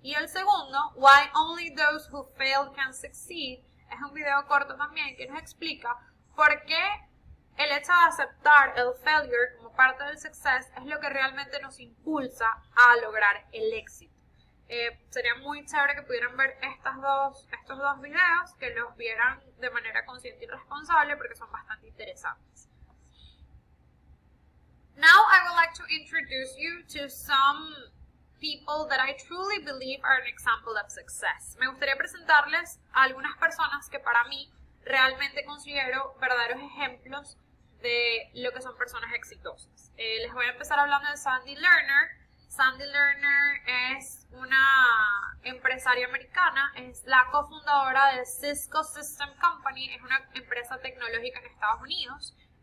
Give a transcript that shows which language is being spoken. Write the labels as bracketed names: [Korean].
[Spanish] Y el segundo, [English] Why Only Those Who Fail Can Succeed, [Spanish] es un video corto también que nos explica por qué el hecho de aceptar el failure como parte del success es lo que realmente nos impulsa a lograr el éxito. Sería muy chévere que pudieran ver estos dos videos, que los vieran de manera consciente y responsable, porque son bastante interesantes. [English] Now I would like to introduce you to some people that I truly believe are an example of success. [Spanish] Me gustaría presentarles a algunas personas que para mí realmente considero verdaderos ejemplos de lo que son personas exitosas. Les voy a empezar hablando de Sandy Lerner. Sandy Lerner es una empresaria americana, es la cofundadora de Cisco System Company, es una empresa tecnológica en Estados Unidos.